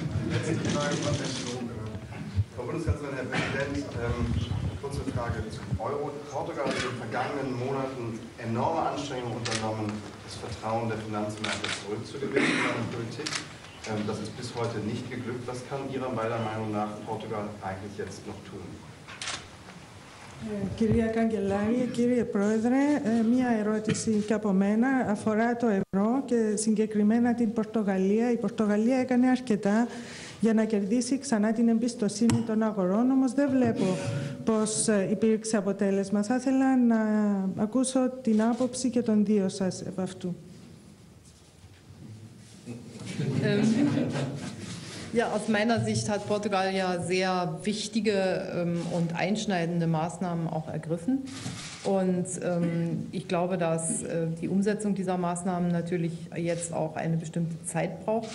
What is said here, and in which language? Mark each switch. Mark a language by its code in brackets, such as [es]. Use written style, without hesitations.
[de] Letzte Frage von Herrn Schlunger. Frau Bundeskanzlerin, Herr Präsident, kurze Frage zum Euro. Portugal hat in den vergangenen Monaten enorme Anstrengungen unternommen, das Vertrauen der Finanzmärkte zurückzugewinnen in seiner Politik. Das ist bis heute nicht geglückt. Was kann Ihrer Meinung nach Portugal eigentlich jetzt noch tun? [el] Κυρία Καγκελάρη, κύριε Πρόεδρε, μία ερώτηση και από μένα αφορά το ευρώ και συγκεκριμένα την Πορτογαλία. Η Πορτογαλία έκανε αρκετά για να κερδίσει ξανά την εμπιστοσύνη των αγορών, όμως δεν βλέπω πώς υπήρξε αποτέλεσμα. Θα ήθελα να ακούσω την άποψη και των δύο σας επ' αυτού. [de] Ja, aus meiner Sicht hat Portugal ja sehr wichtige und einschneidende Maßnahmen auch ergriffen. Und ich glaube, dass die Umsetzung dieser Maßnahmen natürlich jetzt auch eine bestimmte Zeit braucht.